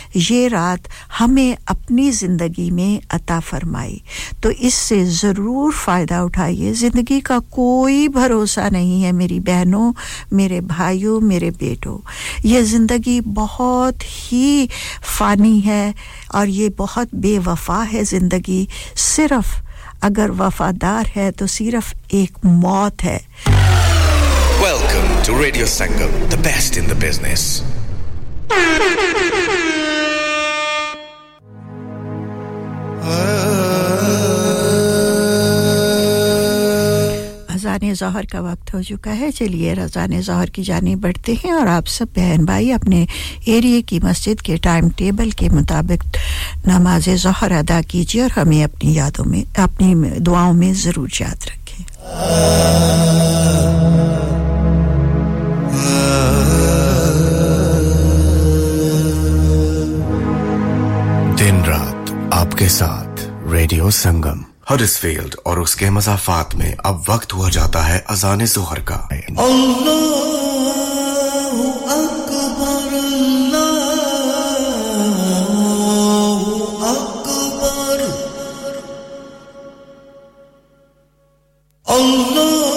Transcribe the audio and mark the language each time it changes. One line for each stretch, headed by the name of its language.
Urdu: یہ رات ہمیں اپنی زندگی میں عطا فرمائی تو اس سے ضرور فائدہ اٹھائیے زندگی کا کوئی بھروسہ نہیں ہے میری بہنوں میرے بھائیوں میرے بیٹوں یہ زندگی بہت ہی فانی ہے اور یہ بہت بے وفا ہے زندگی صرف اگر وفادار ہے تو صرف ایک موت ہے
English: Welcome to Radio Sangam, the best in the business.
Urdu: اذان ظہر کا وقت ہو چکا ہے چلیے اذان ظہر کی جانب بڑھتے ہیں اور آپ سب بہن بھائی اپنے ایریے کی مسجد کے ٹائم ٹیبل کے مطابق نماز ظہر ادا کیجیے اور ہمیں اپنی یادوں میں اپنی دعاؤں میں ضرور یاد رکھیں دن رات آپ کے ساتھ ریڈیو سنگم Huddersfield اور اس کے مضافات میں اب وقت ہوا جاتا ہے اذان ظہر کا
Arabic: اللہ اکبر اللہ اکبر اللہ